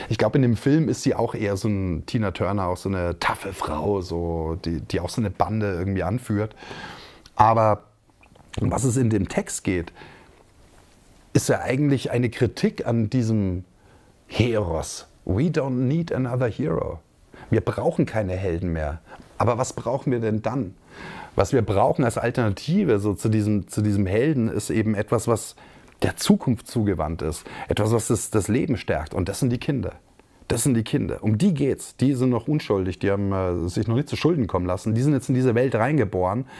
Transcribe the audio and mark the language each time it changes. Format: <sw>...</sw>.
<de>Ich glaube, in dem Film ist sie auch eher so ein Tina Turner, auch so eine taffe Frau, so, die auch so eine Bande irgendwie anführt. Aber was es in dem Text geht, ist ja eigentlich eine Kritik an diesem Heros.</de> <en>We don't need another hero.</en> <de>Wir brauchen keine Helden mehr. Aber was brauchen wir denn dann? Was wir brauchen als Alternative so zu diesem Helden ist eben etwas, was der Zukunft zugewandt ist. Etwas, was das Leben stärkt. Und das sind die Kinder. Das sind die Kinder. Um die geht's. Die sind noch unschuldig. Die haben sich noch nicht zu Schulden kommen lassen. Die sind jetzt in diese Welt reingeboren.</de>